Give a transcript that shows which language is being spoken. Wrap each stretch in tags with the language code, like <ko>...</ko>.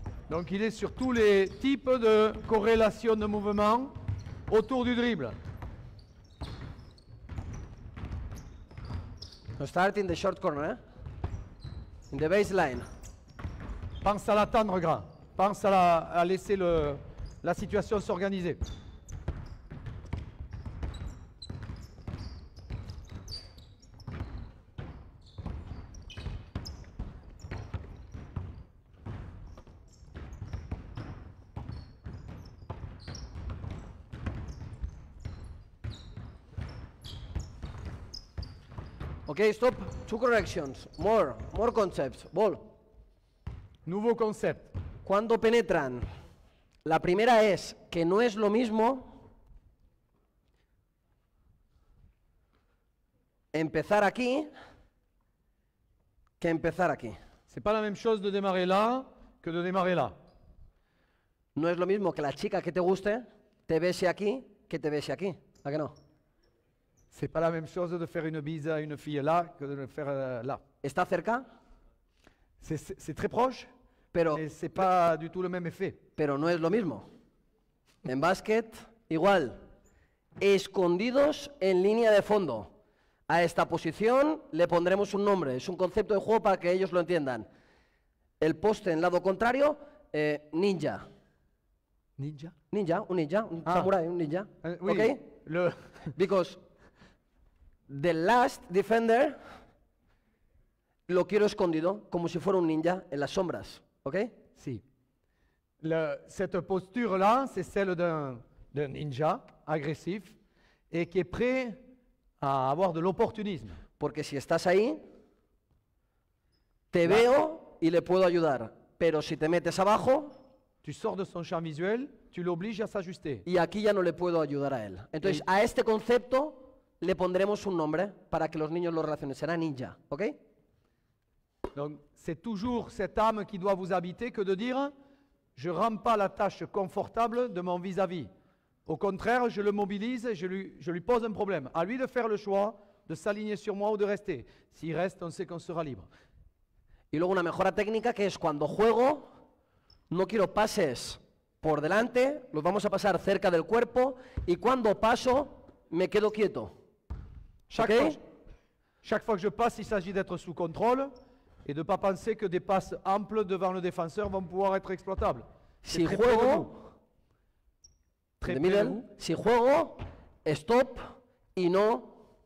<fr>Donc il est sur tous les types de corrélation de mouvement autour du dribble.</fr> <en>So start in the short corner, in the baseline.</en> <fr>Pense à l'attendre grand. Pense à, à laisser le, la situation s'organiser.</fr> <en>Okay, stop. Two corrections. More. More concepts. Ball.</en> <fr>Nouveau concept.</fr> <es>Cuando penetran, la primera es que no es lo mismo empezar aquí que empezar aquí.</es> <fr>C'est pas la même chose de démarrer là que de démarrer là.</fr> <es>No es lo mismo que la chica que te guste te bese aquí que te bese aquí. ¿A que no?</es> <fr>C'est pas la même chose de faire une bise à une fille là que de le faire là.</fr> <es>Está cerca?</es> <fr>C'est très proche,</fr> <es>pero,</es> <fr>mais c'est pas du tout le même effet.</fr> <es>Pero no es lo mismo. En basket, igual. Escondidos en línea de fondo. A esta posición le pondremos un nombre. Es un concepto de juego para que ellos lo entiendan. El poste en lado contrario, ninja. Ninja? Ninja, un ninja, un samurai, un ninja.</es> <fr>Oui,</fr> <en>okay?</en> <fr>Le...</fr> <en>Because... The last defender</en> <es>lo quiero escondido, como si fuera un ninja, en las sombras, ¿ok? Sí.</es> <fr>Le, cette posture-là, c'est celle d'un ninja agresif et qui est prêt à avoir de l'opportunisme.</fr> <es>Porque si estás ahí, te là. Veo y le puedo ayudar. Pero si te metes abajo...</es> <fr>Tu sors de son champ visuel, tu l'obliges à s'ajuster.</fr> <es>Y aquí ya no le puedo ayudar a él. Entonces, a este concepto... Le pondremos un nombre para que los niños lo relacionen. Será ninja, ¿ok?</es> <fr>Donc, c'est toujours cette âme qui doit vous habiter que de dire je rends pas la tâche confortable de mon vis-à-vis. Au contraire, je le mobilise, je lui pose un problème. À lui de faire le choix de s'aligner sur moi ou de rester. S'il reste, on sait qu'on sera libre.</fr> <es>Y luego una mejora técnica que es cuando juego, no quiero pases por delante, los vamos a pasar cerca del cuerpo y cuando paso, me quedo quieto.</es> <fr>Chaque, okay. Chaque fois que je passe, il s'agit d'être sous contrôle et de ne pas penser que des passes amples devant le défenseur vont pouvoir être exploitables.</fr> <es>Si juego, si juego, stop y no,</es>